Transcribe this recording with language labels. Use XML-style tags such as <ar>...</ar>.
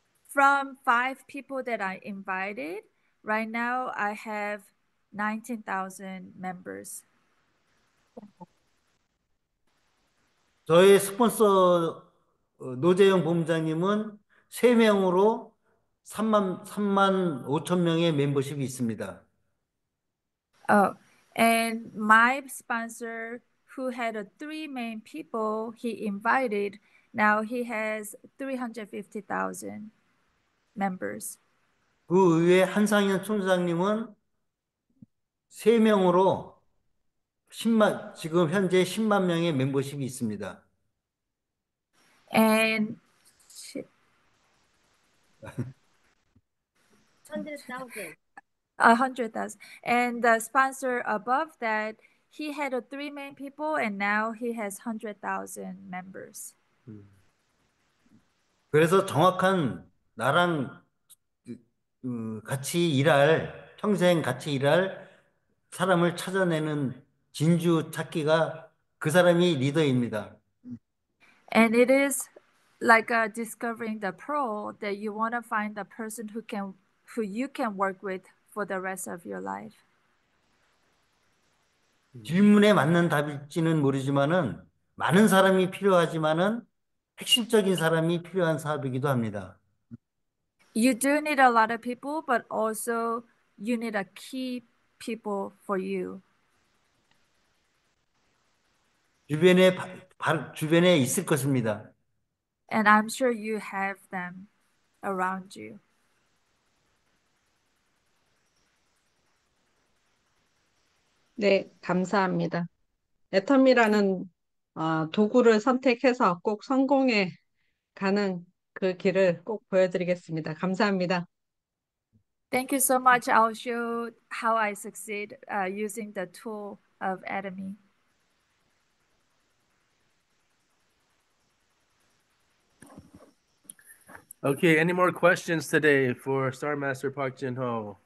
<en>From 5 people that I invited, right now I have 19,000 members.</en> <ko>저희 스폰서 노재영 본부장님은 3명으로 35,000명의 멤버십이 있습니다.</ko> <en>Oh, and my sponsor, who had 3 main people he invited, now he has 350,000 members.</en> <ko>그 의외 한상현 총장님은 3명으로 지금 현재 10만 명의 멤버십이 있습니다.</ko> <en>And 100,000. 100,000. And the sponsor above that, he had 3 main people, and now he has 100,000 members.</en> <ko>그래서 정확한 나랑 같이 일할, 평생 같이 일할 사람을 찾아내는 진주 찾기가 그 사람이 리더입니다.</ko> <en>And it is like discovering the pearl that you want to find the person who you can work with for the rest of your life.</en> <ko>질문에 맞는 답일지는 모르지만은 많은 사람이 필요하지만은 핵심적인 사람이 필요한 사업이기도 합니다.</ko> <en>You do need a lot of people, but also you need a key people for you.</en> <ko>주변에 있을 것입니다.</ko> <en>And I'm sure you have them around you.</en> <ko>네, 감사합니다. 애텀이라는 도구를 선택해서 꼭 성공해 가는 그 길을 꼭 보여드리겠습니다. 감사합니다.</ko> <en>Thank you so much. I'll show how I succeed using the tool of Atomy. Okay, any more questions today for Star Master Park Jin Ho?</en>